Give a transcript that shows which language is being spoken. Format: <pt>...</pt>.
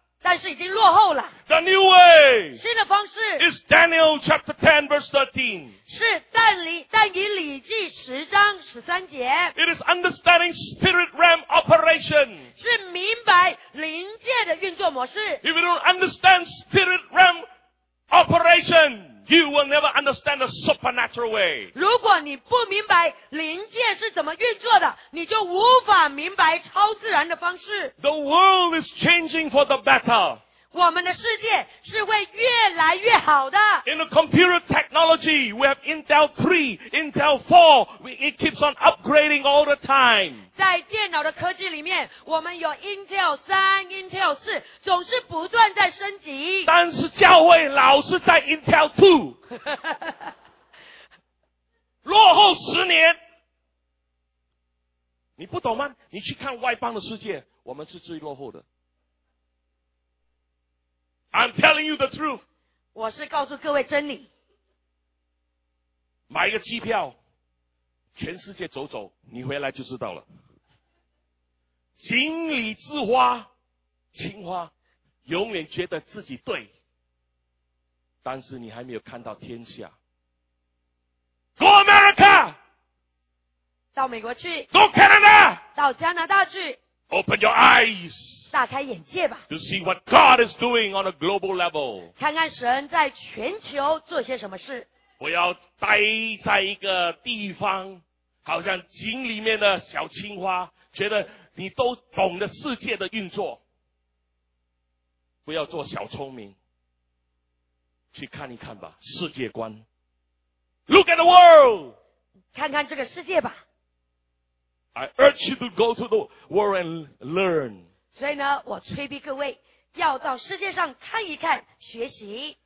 <zh>但是已经落后了。</zh> <en>The new way.</en> <zh>新的方式。</zh> <en>Is Daniel chapter 10 verse 13.</en> <zh>是但以礼记十章十三节。</zh> <en>It is understanding spirit realm operation.</en> <zh>是明白灵界的运作模式。</zh> <en>If you don't understand spirit realm operation, you will never understand the supernatural way.</en> <zh>如果你不明白灵界是怎么运作的，你就无法明白超自然的方式。</zh> <en>The world is changing for the better.</en> <zh>我们的世界是会越来越好的。</zh> <en>In the computer technology, we have Intel 3, Intel 4, it keeps on upgrading all the time.</en> <zh>在电脑的科技里面，我们有 Intel 3, Intel 4, 总是不断在升级。但是教会老是在 Intel 2. 落后十年。你不懂吗？你去看外邦的世界，我们是最落后的。</zh> <en>I'm telling you the truth.</en> <zh>我是告诉各位真理。买一个机票，全世界走走，你回来就知道了。锦鲤之花，青花，永远觉得自己对，但是你还没有看到天下。</zh> <en>Go America!</en> <zh>到美国去。</zh> <en>Go Canada!</en> <zh>到加拿大去。</zh> <en>Open your eyes!</en> <zh>打开眼界吧。</zh> <en>To see what God is doing on a global level.</en> <zh>看看神在全球做些什么事。不要待在一个地方，好像井里面的小青蛙，觉得你都懂得世界的运作。不要做小聪明，去看一看吧，世界观。</zh> <en>Look at the world.</en> <zh>看看这个世界吧。</zh> <en>I urge you to go to the world and learn.</en> <zh>所以呢，我催逼各位要到世界上看一看，学习。</zh>